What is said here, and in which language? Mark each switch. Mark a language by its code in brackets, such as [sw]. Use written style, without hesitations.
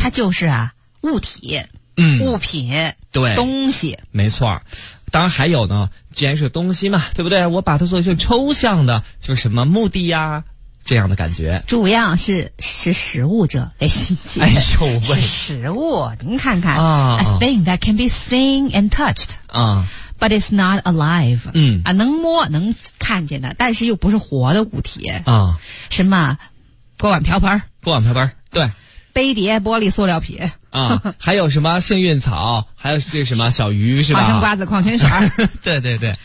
[zh] 它就是啊物体，嗯，物品，对，东西，没错。当然还有呢，既然是东西嘛，对不对，我把它做成抽象的，就是什么目的呀，这样的感觉。主要是识时务者为俊杰。哎呦喂，识时务，您看看、哦、 [en] A thing that can be seen and touched、哦， But it's not alive. 嗯， [zh] 啊，能摸能看见的，但是又不是活的物体啊、哦。什么锅碗瓢盆？锅碗瓢盆，对。杯碟、玻璃、塑料品啊、还有什么幸运草？还有这什么小鱼是吧？花生、瓜子、矿泉水。对对对，